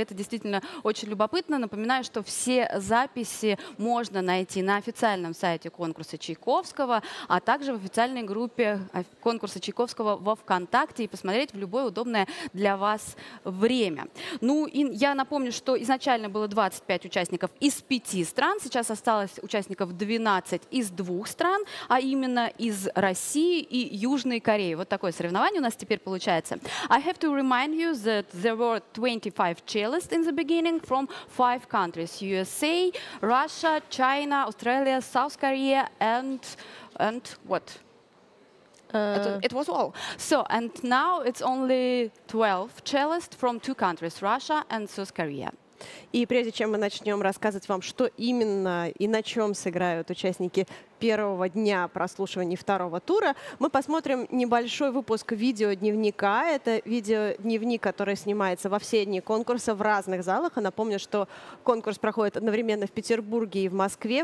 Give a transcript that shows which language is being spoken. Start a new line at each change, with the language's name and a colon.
Russian: Это действительно очень любопытно. Напоминаю, что все записи можно найти на официальном сайте конкурса Чайковского, а также в официальной группе конкурса Чайковского во ВКонтакте и посмотреть в любое удобное для вас время. Ну и я напомню, что изначально было 25 участников из 5 стран, сейчас осталось участников 12 из 2 стран, а именно из России и Южной Кореи. Вот такое соревнование у нас теперь получается.
English: I have to remind you that there were 25 cellists in the beginning from 5 countries. USA, Russia, China, Australia, South Korea, and what? It was all. So, and now it's only 12 cellists from 2 countries, Russia and South Korea.
Russian: И прежде чем мы начнем рассказывать вам, что именно и на чем сыграют участники первого дня прослушивания второго тура, мы посмотрим небольшой выпуск видеодневника. Это видеодневник, который снимается во все дни конкурса в разных залах. А напомню, что конкурс проходит одновременно в Петербурге и в Москве.